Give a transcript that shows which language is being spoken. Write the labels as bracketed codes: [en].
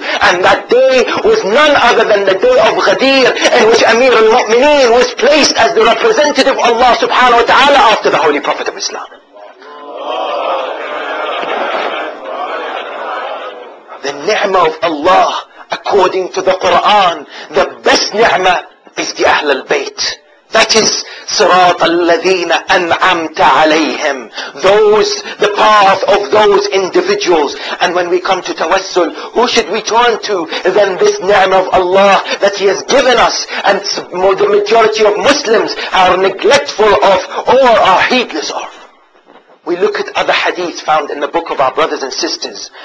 [en] And that day was none other than the day of Ghadir, in which Amir al-Mu'mineen was placed as the representative of Allah subhanahu wa ta'ala after the Holy Prophet of Islam. The ni'mah of Allah, according to the Quran, the best ni'mah is the Ahlul Bayt. That is [ar] صراط الذين أنعمت عليهم. [en] Those, the path of those individuals. And when we come to tawassul, who should we turn to than this ni'mah of Allah that He has given us? And the majority of Muslims are neglectful of or are heedless of. We look at other hadiths found in the book of our brothers and sisters.